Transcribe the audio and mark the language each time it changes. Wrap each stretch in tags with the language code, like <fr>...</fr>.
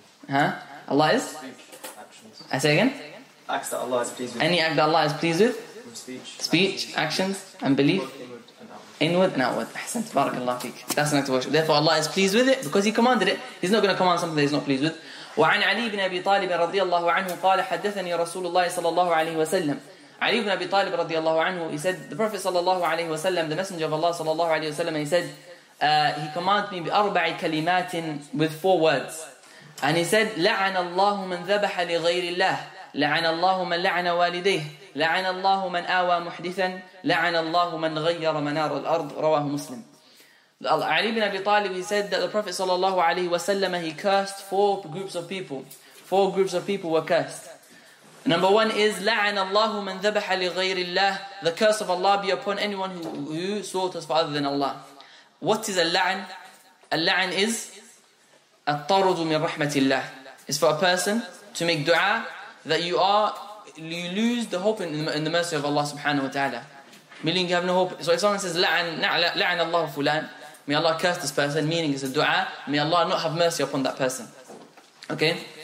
<en>Huh? Allah is? I say again? Acts that Allah is pleased with. Any act that Allah is pleased with? Speech, actions, and belief. Inward and outward. Ahsan, barakallahu feek. That's an act of worship. Therefore, Allah is pleased with it because He commanded it. He's not going to command something that He's not pleased with.</en> <ar>وعن علي بن أبي طالب رضي الله عنه قال حدثني رسول الله صلى الله عليه وسلم.</ar> <en>علي بن أبي طالب</en> <ar>رضي الله عنه,</ar> <en>he said, the Prophet</en> <ar>صلى الله عليه وسلم,</ar> <en>the Messenger of Allah صلى الله عليه وسلم, he said, he commanded me</en> <ar>بأربع كلمات,</ar> <en>with four words. And he said,</en> <ar>لعن الله من ذبح لغير الله, لعن الله من لعن والديه, لعن الله من آوى محدثا, لعن الله من غير منار الأرض. رواه مسلم.</ar> <en>Ali ibn Abi Talib, he said that the Prophet sallallahu alaihi wasallam, he cursed four groups of people. Four groups of people were cursed. Number one is</en> <ar>لعن الله من ذبح لغير الله.</ar> <en>The curse of Allah be upon anyone who slaughters for other than Allah. What is اللعن?</en> <ar>اللعن</ar> <en>is</en> <ar>الطرد من رحمة الله.</ar> <en>It's for a person to make dua that you lose the hope in the mercy of Allah subhanahu wa ta'ala. Meaning you have no hope. So if someone says</en> <ar>لعن الله فلان,</ar> <en>may Allah curse this person, meaning it's a dua, may Allah not have mercy upon that person. Okay?</en>